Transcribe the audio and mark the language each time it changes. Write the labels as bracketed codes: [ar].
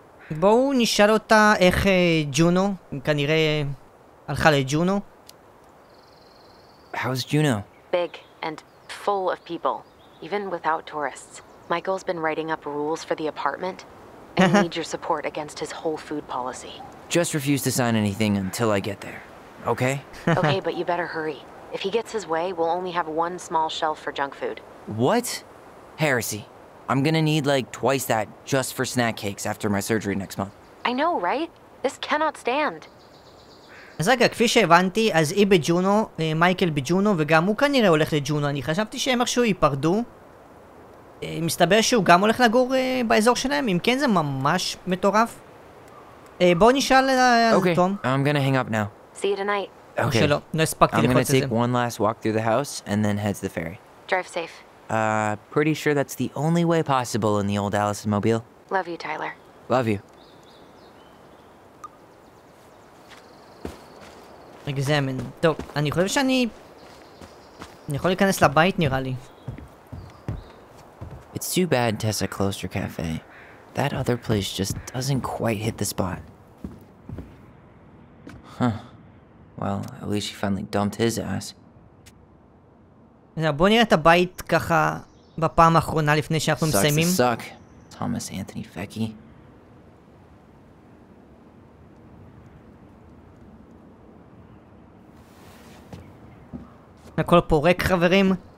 [he] בואו נשאל אותה איך ג'ונו, כנראה הלכה לג'ונו. [en] How's Juno? Big and full of people, even without tourists. Michael's been writing up rules for the apartment and need your support against his whole food policy. Just refuse to sign anything until I get there. Okay? Okay, but you better hurry. If he gets his way, we'll only have one small shelf for junk food. What? Heresy. I'm gonna need, like, twice that just for snack cakes after my surgery next month. I know, right? This cannot stand. [he] אז רגע, כפי שהבנתי, אז היא בג'ונו, מייקל בג'ונו, וגם הוא כנראה הולך לג'ונו. אני חשבתי שהם איכשהו ייפרדו. מסתבר שהוא גם הולך לגור באזור שלהם. אם כן, זה ממש מטורף. בואו נשאל על תום. [en] Okay, I'm gonna hang up now. See you tonight. Okay. [he] שלא, לא הספקתי לחוץ את זה. [en] I'm gonna take one last walk through the house, and then head to the ferry. Drive safe. Pretty sure that's the only way possible in the old Allison mobile. Love you, Tyler. Love you. [he] אקזמן. טוב, אני חושב שאני... אני יכול להיכנס לבית, נראה לי. [en] It's too bad Tessa closed her cafe. That other place just doesn't quite hit the spot. Huh. Well, at least she finally dumped his ass. [he] בוא נראה את הבית ככה בפעם האחרונה לפני שאנחנו מסיימים. [en] Sucks to suck. Thomas Anthony Fecky. [he] הכל פורק, חברים.